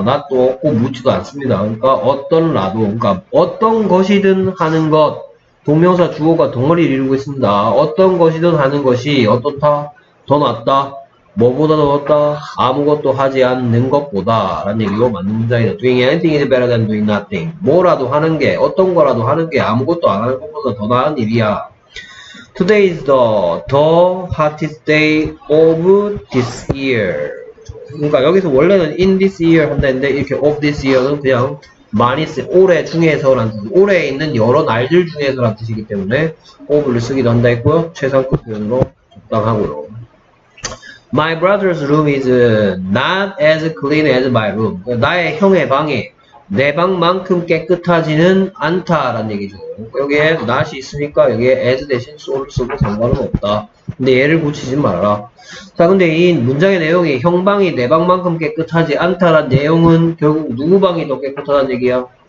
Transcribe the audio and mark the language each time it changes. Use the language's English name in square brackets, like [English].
[Korean] 나도 없고 묻지도 않습니다. 그러니까 어떤 라도, 그러니까 어떤 것이든 하는 것, 동명사 주어가 동어리를 이루고 있습니다. 어떤 것이든 하는 것이 어떻다? 더 낫다? 뭐보다 더웠다? 아무것도 하지 않는 것보다 라는 얘기로 맞는 문장이다. [English] Doing anything is better than doing nothing. [Korean] 뭐라도 하는 게, 어떤 거라도 하는 게 아무것도 안 하는 것보다 더 나은 일이야. [English] Today is the hottest day of this year. [Korean] 그러니까 여기서 원래는 in this year 한다 했는데 이렇게 of this year는 그냥 많이 쓰 올해 중에서 라는 뜻, 올해에 있는 여러 날들 중에서 라는 뜻이기 때문에 of를 쓰기도 한다 했고요. 최상급 표현으로 적당하고요. [English] My brother's room is not as clean as my room. [Korean] 나의 형의 방이 내 방만큼 깨끗하지는 않다라는 얘기죠. 여기에 not이 있으니까 여기에 as 대신 so를 쓰고 상관은 없다. 근데 얘를 고치지 말아라. 자, 근데 이 문장의 내용이 형 방이 내 방만큼 깨끗하지 않다라는 내용은 결국 누구 방이 더 깨끗하다는 얘기야?